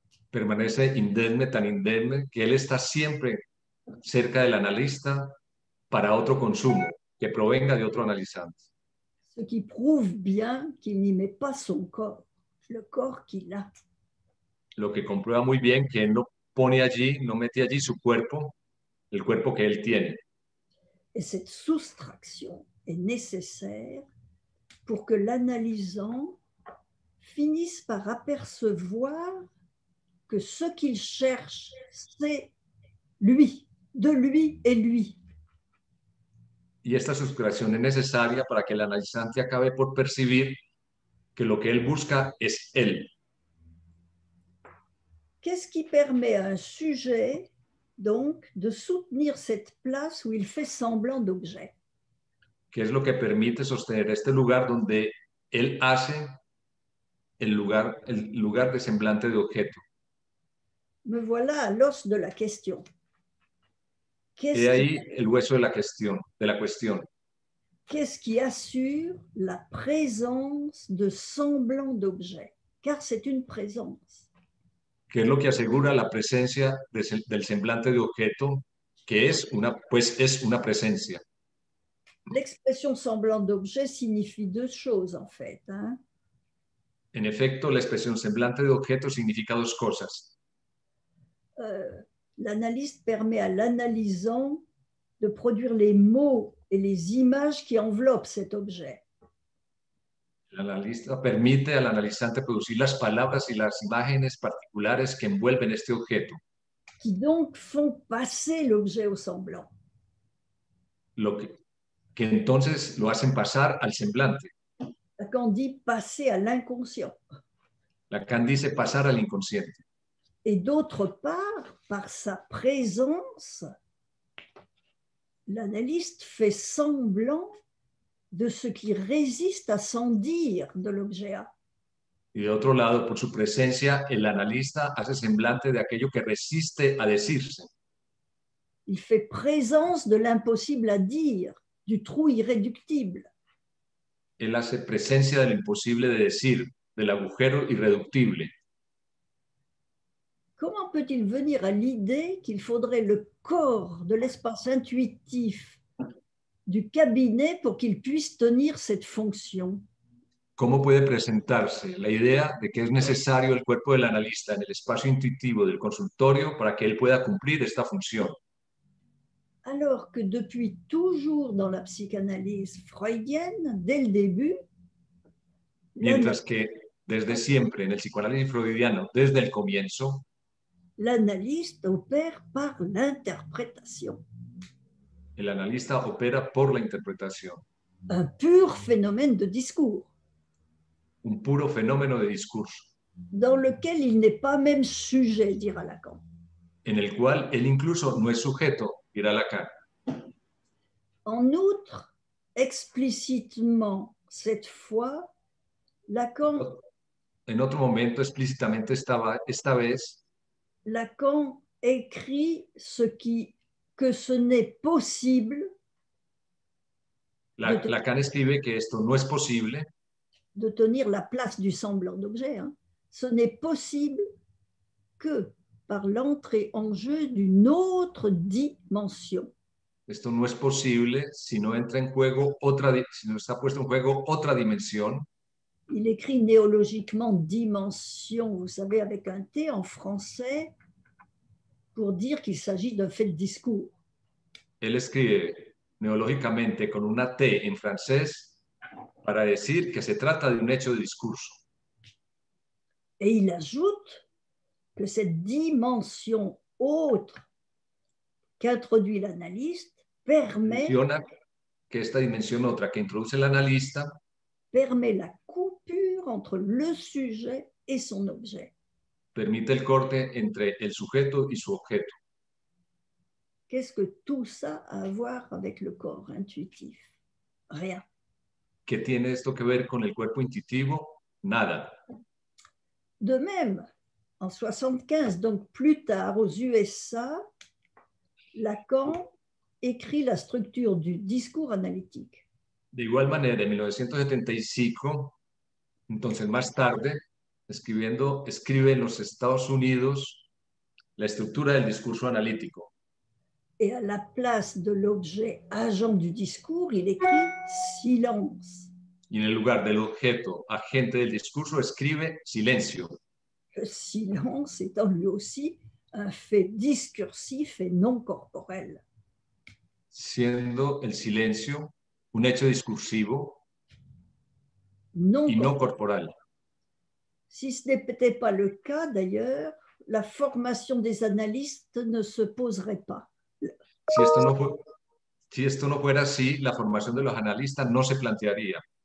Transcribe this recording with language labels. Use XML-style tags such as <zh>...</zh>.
<es>Permanece indemne, tan indemne, que él está siempre cerca del analista para otro consumo que provenga de otro analizante.</es> <fr>Ce qui prouve bien qu'il n'y met pas son corps, le corps qu'il a.</fr> <es>Lo que comprueba muy bien que él no pone allí, no mete allí su cuerpo, el cuerpo que él tiene.</es> <fr>Et cette soustraction est nécessaire pour que l'analysant finisse par apercevoir que ce qu'il cherche, c'est lui, de lui et lui.</fr> <es>Y esta suscripción es necesaria para que el analizante acabe por percibir que lo que él busca es él.</es> <fr>Qu'est-ce qui permet à un sujet, donc, de soutenir cette place où il fait semblant d'objet?</fr> <es>¿Qué es lo que permite sostener este lugar donde él hace el lugar de semblante de objeto.</es> <fr>Me voilà à l'os de la question.</fr> <es>Et ahí el hueso de la cuestión.</es> <fr>Qu'est-ce qui assure la présence de semblant d'objet? Car c'est une présence.</fr> <es>¿Qué es lo que asegura la presencia del semblante de objeto? Que es una, pues es una presencia.</es> <fr>L'expression semblant d'objet signifie deux choses, en fait. Hein?</fr> <es>En efecto, la expresión semblante de objeto significa dos cosas.</es> <fr>L'analyste permet à l'analysant de produire les mots et les images qui enveloppent cet objet.</fr> <es>L'analista permite al analizante producir las palabras y las imágenes particulares que envuelven este objeto.</es> <fr>Qui donc font passer l'objet au semblant.</fr> <es>Que entonces lo hacen pasar al semblante.</es> <fr>Lacan dit passer à l'inconscient.</fr> <es>Lacan dice pasar al inconsciente.</es> <fr>Et d'autre part, par sa présence, l'analyste fait semblant de ce qui résiste à s'en dire de l'objet A.</fr> <es>Y de otro lado, por su presencia, el analista hace semblante de aquello que resiste a decirse.</es> <fr>Il fait présence de l'impossible à dire, du trou irréductible.</fr> <es>Él hace presencia de lo imposible de decir, del agujero irreductible.</es> <fr>Comment peut-il venir à l'idée qu'il faudrait le corps de l'espace intuitif du cabinet pour qu'il puisse tenir cette fonction?</fr> <es>¿Cómo puede presentarse la idea de que es necesario el cuerpo del analista en el espacio intuitivo del consultorio para que él pueda cumplir esta función?</es> <fr>Alors que depuis toujours dans la psychanalyse freudienne, dès le début,</fr> <es>mientras que desde siempre en el psicoanálisis freudiano, desde el comienzo,</es> <fr>l'analyste opère par l'interprétation.</fr> <es>El analista opera por la interpretación.</es> <fr>Un pur phénomène de discours.</fr> <es>Un puro fenómeno de discurso.</es> <fr>Dans lequel il n'est pas même sujet, dira Lacan.</fr> <es>En el cual él incluso no es sujeto, dirá Lacan.</es> <fr>En outre, explicitement, cette fois, Lacan...</fr> <es>En otro momento, explícitamente esta vez...</es> <fr>Lacan écrit que ce n'est possible...</fr> <es>Lacan escribe que esto no es posible...</es> <fr>de tenir la place du semblant d'objet, hein. Ce n'est possible que par l'entrée en jeu d'une autre dimension.</fr> <es>Esto no es posible si no entra en juego otra, si no está puesto en juego otra dimensión.</es> <fr>Il écrit néologiquement dimension, vous savez, avec un T en français, pour dire qu'il s'agit d'un fait de discours.</fr> <es>Él escribe neológicamente con una T en francés, para decir que se trata de un hecho de discurso.</es> <fr>Et il ajoute que cette dimension autre qu'introduit l'analyste permet</fr> <es>menciona que esta dimensión otra que introduce el analista</es> <fr>permet la coupure entre le sujet et son objet.</fr> <es>Permite el corte entre el sujeto y su objeto.</es> <fr>Qu'est-ce que tout ça a à voir avec le corps intuitif? Rien.</fr> <es>¿Qué tiene esto que ver con el cuerpo intuitivo? Nada.</es> <fr>De même, en 75, donc plus tard, aux USA, Lacan écrit la structure du discours analytique.</fr> <es>De igual manera, en 1975, entonces más tarde, escribe en los Estados Unidos la estructura del discurso analítico.</es> <fr>Et à la place de l'objet agent du discours, il écrit silence.</fr> <es>Y en el lugar del objeto agente del discurso, escribe silencio.</es> <fr>Le silence étant lui aussi un fait discursif et non corporel.</fr> <es>Siendo el silencio un hecho discursivo</es> <fr>non</fr> <es>y no corporal.</es> <fr>Si ce n'était pas le cas, d'ailleurs, la formation des analystes ne se poserait pas.</fr> <es>Si esto no fuera así, la formación de los analistas no se plantearía.</es>